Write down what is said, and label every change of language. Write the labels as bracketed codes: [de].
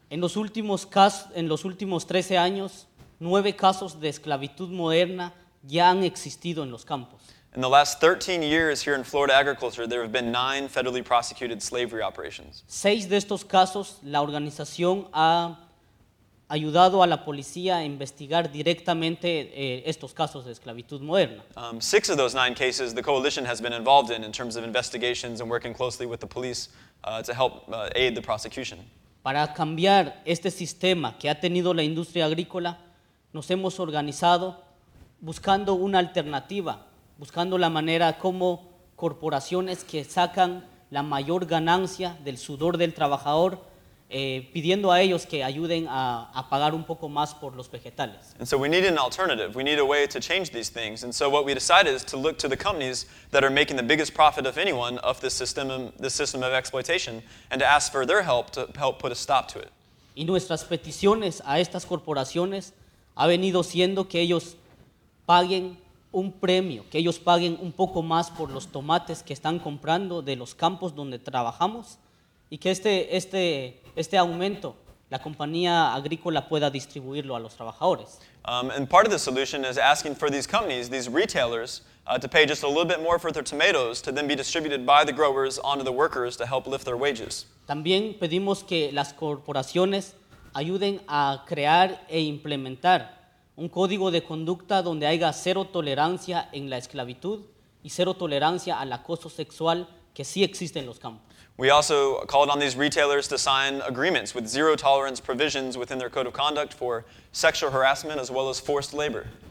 [es] En los últimos 13 años, 9 casos de esclavitud moderna ya han existido en los campos. [en] In the last 13 years here in Florida agriculture, there have been 9 federally prosecuted slavery operations. [es] 6 de estos casos, la organización ha ayudado a la policía a investigar directamente estos casos de esclavitud moderna. [en] 6 of those 9 cases, the coalition has been involved in terms of investigations and working closely with the police to help aid the prosecution. [es] Para cambiar este sistema que ha tenido la industria agrícola, nos hemos organizado buscando una alternativa, buscando la manera como corporaciones que sacan la mayor ganancia del sudor del trabajador, pidiendo a ellos que ayuden a pagar un poco más por los vegetales. [en] And so we need an alternative. We need a way to change these things. And so what we decided is to look to the companies that are making the biggest profit of anyone of this system of exploitation, and to ask for their help to help put a stop to it. [es] Y nuestras peticiones a estas corporaciones ha venido siendo que ellos paguen un premio, que ellos paguen un poco más por los tomates que están comprando de los campos donde trabajamos, y que este aumento la compañía agrícola pueda distribuirlo a los trabajadores. [en] And part of the solution is asking for these companies, these retailers, to pay just a little bit more for their tomatoes to then be distributed by the growers onto the workers to help lift their wages. [es] También pedimos que las corporaciones ayuden a crear e implementar un código de conducta donde haya cero tolerancia en la esclavitud y cero tolerancia al acoso sexual que sí existe en los campos. [en] We also called on these retailers to sign agreements with zero tolerance provisions within their code of conduct for sexual harassment as well as forced labor.